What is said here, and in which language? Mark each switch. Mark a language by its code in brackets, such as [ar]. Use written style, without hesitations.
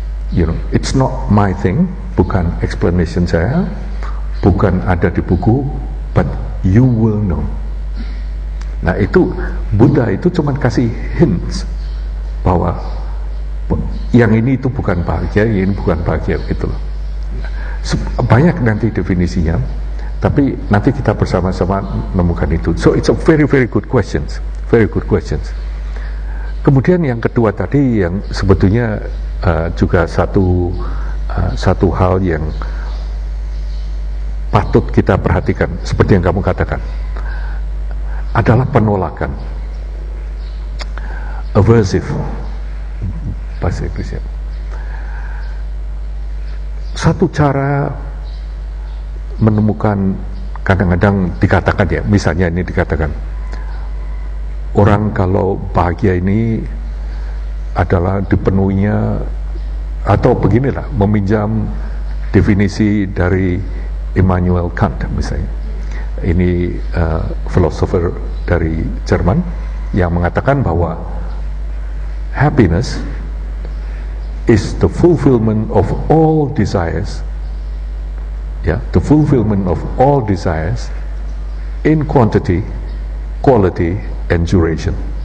[en] You know, it's not my thing, [id] bukan explanation saya, bukan ada di buku, [en] but you will know. [id] Nah itu, Buddha itu cuma kasih hints bahwa yang ini itu bukan bahagia, yang ini bukan bahagia, gitu loh. Banyak nanti definisinya. Tapi nanti kita bersama-sama menemukan itu. [en] So it's a very very good questions, very good questions. [id] Kemudian yang kedua tadi yang sebetulnya juga satu hal yang patut kita perhatikan, seperti yang kamu katakan, adalah penolakan, aversive, bahasa Inggrisnya. Satu cara menemukan, kadang-kadang dikatakan ya, misalnya ini dikatakan orang kalau bahagia ini adalah dipenuhinya, atau beginilah, meminjam definisi dari Immanuel Kant misalnya, ini philosopher dari Jerman yang mengatakan bahwa happiness [en] is the fulfillment of all desires, yeah, the fulfillment of all desires in quantity, quality, and duration.